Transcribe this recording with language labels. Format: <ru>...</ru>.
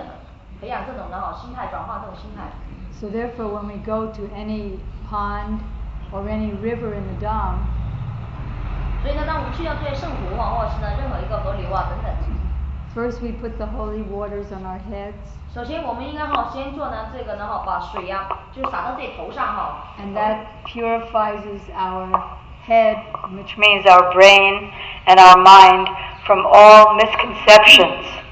<zh>那么呢，这种哈，这个我们哈有拥有一种呢哈比较恭敬的心态啊，我们所去的地点呢哈，包括呢我们所交往的哈的人呢等等的，培养这种呢哈心态转换这种心态。</zh> <en>So therefore, when we go to any pond or any river in the Dham,</en> <zh>所以呢，当我们去到这些圣湖啊，或者是呢任何一个河流啊等等。</zh> <en>First, we put the holy waters on our heads.</en> <zh>首先我们应该好先做呢这个呢哈，把水呀就洒到自己头上哈。</zh> <en>And that purifies our head, which means our brain and our mind from all misconceptions.</en>